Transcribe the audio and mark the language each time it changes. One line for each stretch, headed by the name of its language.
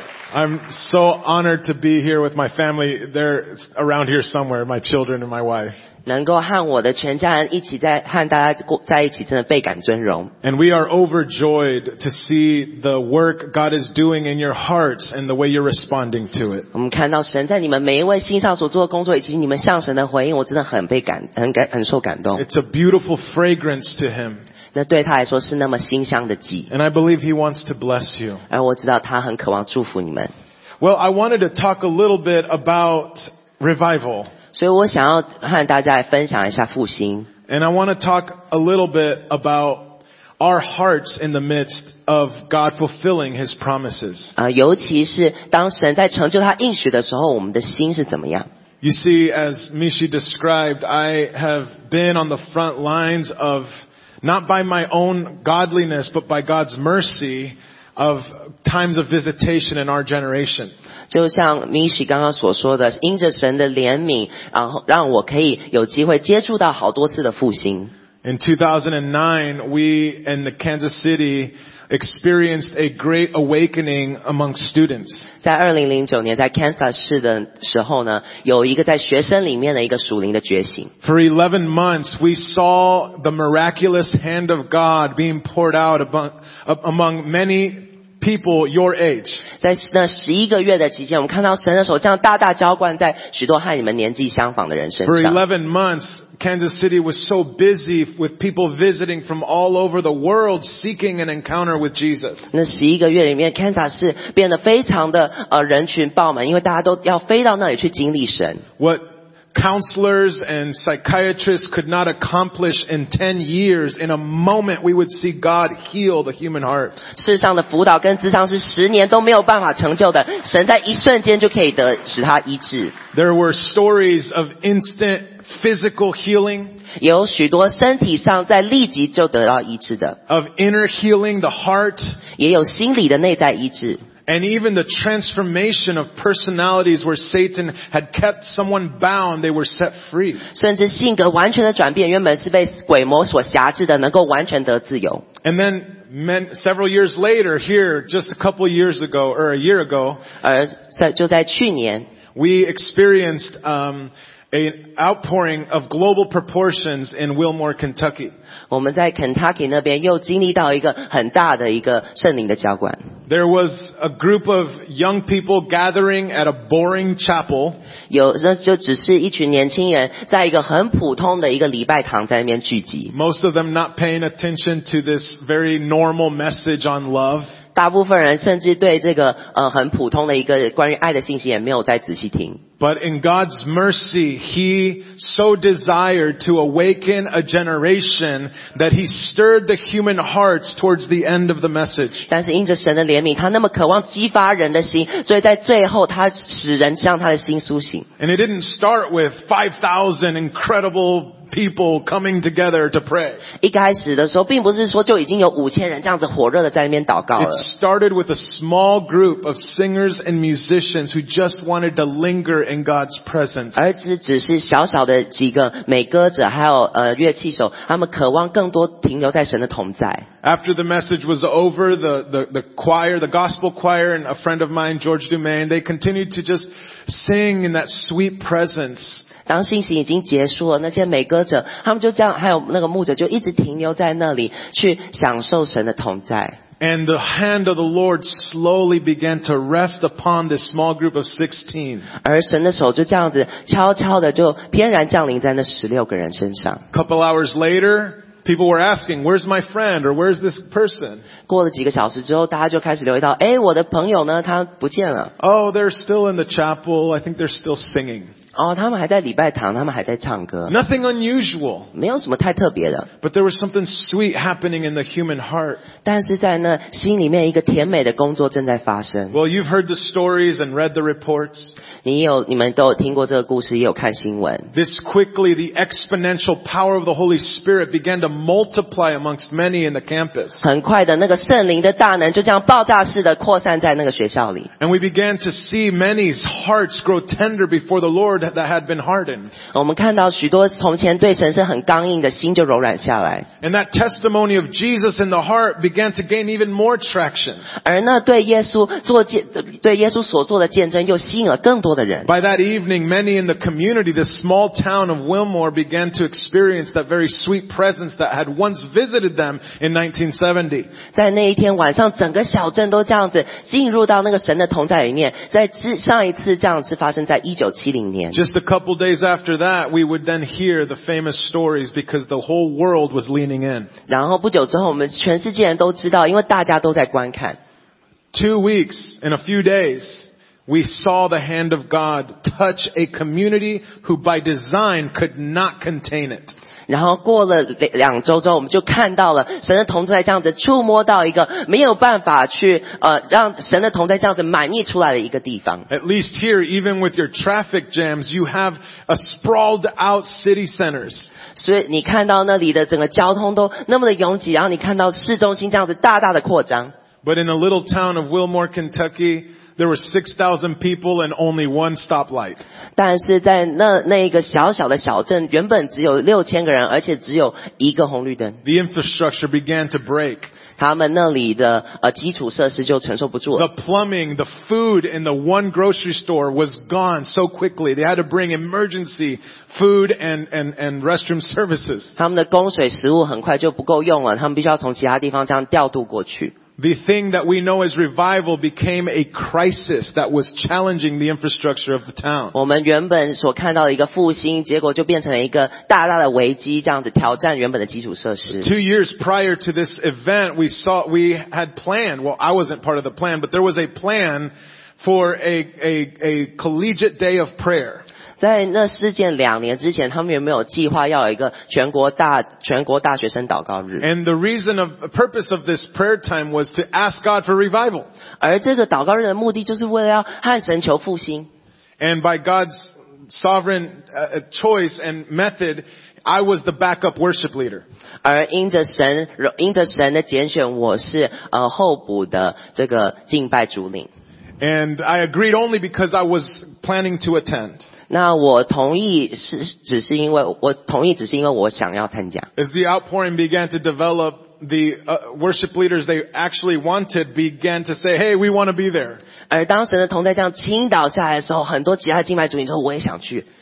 English: I'm so honored to be here with my family. They're around here somewhere, my children and my wife.
Chinese: 能够和我的全家人一起在和大家在一起，真的倍感尊荣。
English: And we are overjoyed to see the work God is doing in your hearts and the way you're responding to it.
Chinese: 我们看到神在你们每一位心上所做的工作，以及你们向神的回应，我真的很被感，很受感动。
English: It's a beautiful fragrance to Him.
Chinese: 那对他来说是那么馨香的祭。
English: And I believe he wants to bless you.
Chinese: 而我知道他很渴望祝福你们。
English: Well, I wanted to talk a little bit about revival.
Chinese: 所以我想要和大家来分享一下复兴。
English: And I want to talk a little bit about our hearts in the midst of God fulfilling His promises.
Chinese: 尤其是当神在成就他应许的时候，我们的心是怎么样？
English: You see, as Mishi described, I have been on the front lines of not by my own godliness, but by God's mercy of times of visitation in our generation.
Chinese: 就像 Mishi 刚刚所说的，因着神的怜悯，然后让我可以有机会接触到好多次的复兴。
English: In 2009, we in the Kansas City experienced a great awakening among students.
Chinese: 在2009年在 Kansas 市的时候呢，有一个在学生里面的一个属灵的觉醒。
English: For 11 months, we saw the miraculous hand of God being poured out among many people your age.
Chinese: 在那11个月的期间，我们看到神的手这样大大浇灌在许多和你们年纪相仿的人身上。
English: For 11 months,Kansas City was so busy with people visiting from all over the world seeking an encounter with Jesus.
Chinese: 那11个月里面 ，Kansas 市变得非常的人群爆满，因为大家都要飞到那里去经历神。
English: What counselors and psychiatrists could not accomplish in 10 years, in a moment we would see God heal the human heart.
Chinese: 世上的辅导跟咨商是十年都没有办法成就的，神在一瞬间就可以使他医治。
English: There were stories of instant. Physical healing,
Chinese: 有许多身体上在立即就得到医治的。
English: Of inner healing, the heart,
Chinese: 也有心理的内在医治。
English: And even the transformation of personalities where Satan had kept someone bound, they were set free.
Chinese: 甚至性格完全的转变，原本是被鬼魔所辖制的，能够完全得自由。
English: And then several years later, here, just a couple years ago, or a year ago,
Chinese: 而就在去年
English: we experienced an outpouring of global proportions in Wilmore, Kentucky.
Chinese: 我们在 Kentucky 那边又经历到一个很大的一个圣灵的浇灌。
English: There was a group of young people gathering at a boring chapel.
Chinese: 有那就只是一群年轻人在一个很普通的一个礼拜堂在那边聚集。
English: Most of them not paying attention to this very normal message on love.
Chinese: 大部分人甚至对这个很普通的一个关于爱的信息也没有再仔细听。
English: But in God's mercy, He so desired to awaken a generation that He stirred the human hearts towards the end of the message.
Chinese: 但是因着神的怜悯，他那么渴望激发人的心，所以在最后他使人向他的心苏醒。
English: And it didn't start with 5,000 incredible people coming together to pray.
Chinese: 一开始的时候，并不是说就已经有五千人这样子火热的在那边祷告了。
English: It started with a small group of singers and musicians who just wanted to linger. In God's presence.
Chinese: 而只是小小的几个美歌者还有乐器手他们渴望更多停留在神的同在。
English: After the message was over, the choir, the gospel choir, and a friend of mine, George Dumain, they continued to just sing in that sweet presence.
Chinese: 当信息已经结束了，那些美歌者他们就这样，还有那个牧者就一直停留在那里去享受神的同在。
English: And the hand of the Lord slowly began to rest upon this small group of 16.
Chinese: 而神的手就这样子悄悄的就翩然降临在那16个人身上。
English: Couple hours later, people were asking, "Where's my friend?" or "Where's this person?"
Chinese: 过了几个小时之后，大家就开始留意到，哎，我的朋友呢？他不见了。
English: Oh, they're still in the chapel. I think they're still singing.
Chinese: 哦，他们还在礼拜堂，他们还在唱歌。
English: Nothing unusual.
Chinese: 没有什么太特别的。
English: But there was something sweet happening in the human heart.
Chinese: 但是在那心里面，一个甜美的工作正在发生。
English: Well, you've heard the stories and read the reports.
Chinese: 你们都有听过这个故事，也有看新闻。
English: This quickly, the exponential power of the Holy Spirit began to multiply amongst many in the campus.
Chinese: 很快的，那个圣灵的大能就这样爆炸式的扩散在那个学校里。
English: And we began to see many's hearts grow tender before the Lord. That had been hardened.
Chinese: 我们看到许多从前对神是很刚硬的心就柔软下来。
English: And that testimony of Jesus in the heart began to gain even more traction.
Chinese: 而那对耶稣做见对耶稣所做的见证又吸引了更多的人。
English: By that evening, many in the community, this small town of Wilmore, began to experience that very sweet presence that had once visited them in 1970.
Chinese: 在那一天晚上，整个小镇都这样子进入到那个神的同在里面。在上一次这样是发生在1970年。
English: Just a couple days after that, we would then hear the famous stories because the whole world was leaning in.
Chinese: 然后不久之后，我们全世界人都知道，因为大家都在观看。
English: 2 weeks in a few days, we saw the hand of God touch a community who, by design, could not contain it.
Chinese: 然后过了两周之后，我们就看到了神的同在这样子触摸到一个没有办法去让神的同在这样子满溢出来的一个地方。
English: At least here, even with your traffic jams, you have a sprawled out city centers.
Chinese: 所以你看到那里的整个交通都那么的拥挤，然后你看到市中心这样子大大的扩张。
English: But in a little town of Wilmore, Kentucky. There were 6,000 people and only one stoplight.
Chinese: 但是在那一个小小的小镇，原本只有6000个人，而且只有一个红绿灯。
English: The infrastructure began to break.
Chinese: 他们那里的基础设施就承受不住了。
English: The plumbing, the food in the one grocery store was gone so quickly. They had to bring emergency food and restroom services.
Chinese: 他们的供水食物很快就不够用了，他们必须要从其他地方这样调度过去。
English: The thing that we know as revival became a crisis that was challenging the infrastructure of the town.
Chinese: 我们原本所看到的一个复兴，结果就变成了一个大大的危机，这样子挑战原本的基础设施。
English: 2 years prior to this event, we had planned. Well, I wasn't part of the plan, but there was a plan for a collegiate day of prayer.
Chinese: 在那事件两年之前，他们有没有计划要有一个全国大学生祷告日
English: ？And the reason of the purpose of this prayer time was to ask God for revival.
Chinese: 而这个祷告日的目的就是为了要和神求复兴。
English: And by God's sovereign choice and method, I was the backup worship leader.
Chinese: 而因着神的拣选，我是候补的这个敬拜主领。
English: And I agreed only because I was planning to attend.
Chinese: 那我同意只是因为我同意只是因为我想要参加。
English: As the outpouring began to develop, the worship leaders they actually wanted began to say, "Hey, we want to be there."
Chinese: 而当神的同在这样倾倒下来的时候，很多其他敬拜主领说我也想去。